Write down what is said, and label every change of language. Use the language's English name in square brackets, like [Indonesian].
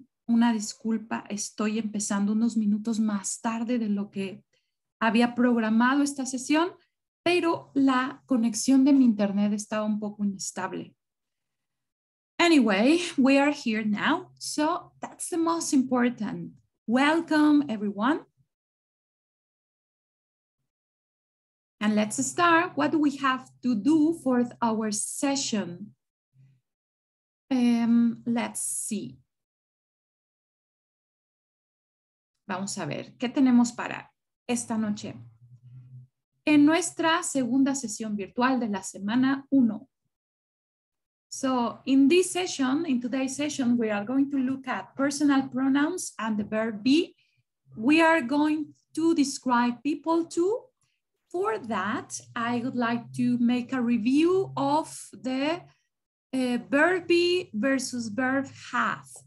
[Spanish] Una disculpa, estoy empezando unos minutos más tarde de lo que había programado esta sesión, pero la conexión de mi internet estaba un poco inestable. [English] Anyway, we are here now, so that's the most important. Welcome, everyone. And let's start. What do we have to do for our session? Let's see. [Spanish] Vamos a ver, ¿qué tenemos para esta noche? En nuestra segunda sesión virtual de la semana 1. [English] So, in this session, in today's session, we are going to look at personal pronouns and the verb be. We are going to describe people too. For that, I would like to make a review of the verb be versus verb have.